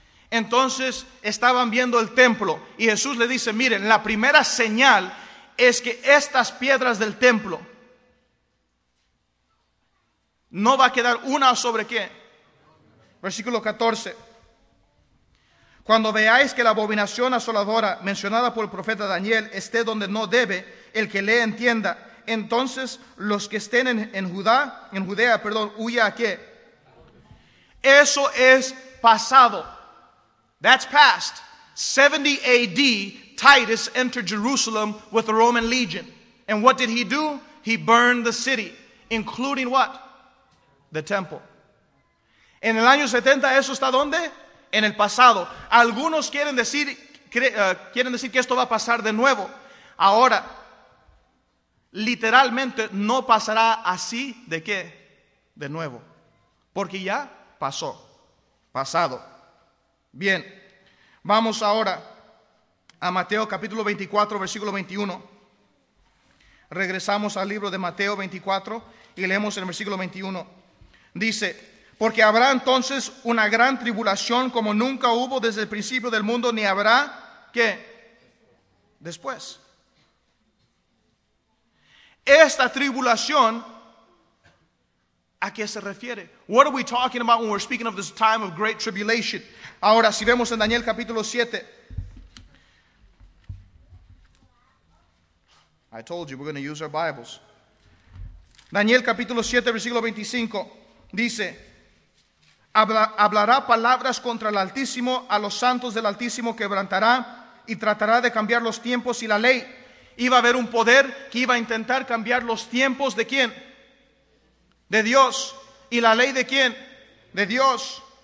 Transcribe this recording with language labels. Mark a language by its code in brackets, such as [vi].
[es] Entonces estaban viendo el templo y Jesús le dice, miren, la primera señal es que estas piedras del templo no va a quedar una sobre qué. Versículo 14. Cuando veáis que la abominación asoladora mencionada por el profeta Daniel esté donde no debe, el que lee entienda. Entonces los que estén en Judea, huya a qué. Eso es pasado. [en] That's past. 70 AD, Titus entered Jerusalem with the Roman legion. And what did he do? He burned the city, including what? The temple. [es] En el año 70, ¿eso está dónde? En el pasado. Algunos quieren decir que esto va a pasar de nuevo. Ahora, literalmente no pasará así, ¿de qué? De nuevo. Porque ya pasó. Pasado. Bien. Vamos ahora a Mateo capítulo 24, versículo 21. Regresamos al libro de Mateo 24 y leemos el versículo 21. Dice, porque habrá entonces una gran tribulación como nunca hubo desde el principio del mundo, ni habrá, ¿qué? Después. Esta tribulación, ¿a qué se refiere? [en] What are we talking about when we're speaking of this time of great tribulation? [es] Ahora, si vemos en Daniel capítulo 7. [en] I told you, we're going to use our Bibles. [es] Daniel capítulo 7, versículo 25. Dice, hablará palabras contra el Altísimo, a los santos del Altísimo quebrantará y tratará de cambiar los tiempos y la ley. Iba a haber un poder que iba a intentar cambiar los tiempos de quién, de Dios, y la ley de quién, de Dios.